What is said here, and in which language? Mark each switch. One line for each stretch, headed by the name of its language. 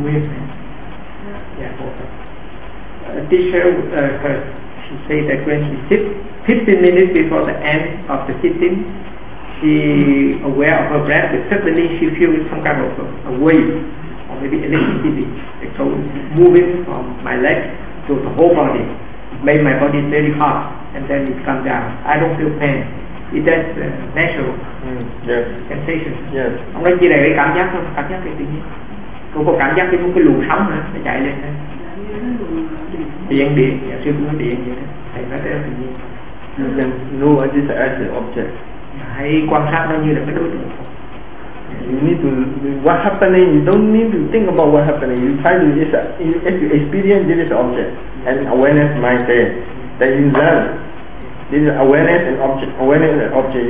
English: A teacher, she said that when she sit 15 minutes before the end of the sitting, she aware of her breath, but suddenly she feels some kind of a wave, or maybe electricity, so moving from my leg to the whole body, made my body very hot, and then it comes down. I don't feel pain. Is that natural sensation? Yes.
Vietnamese: Ông nói chỉ là cái cảm giác thôi, cảm giác cái tự nhiên. Cô có cảm giác như một cái luồng sóng hả, nó chạy lên hả? Điện, điện, dạ sư cũng nói điện vậy đó. Thầy nói thế là tự nhiên.
English: Then know what is the object.
Vietnamese: Hãy quan sát nó như là cái đối tượng.
English: You need to, what happening, you don't need to think about what happening. You try to just, if you experience this is object. And awareness mind there. Then you learn. This is awareness and object, awareness and object.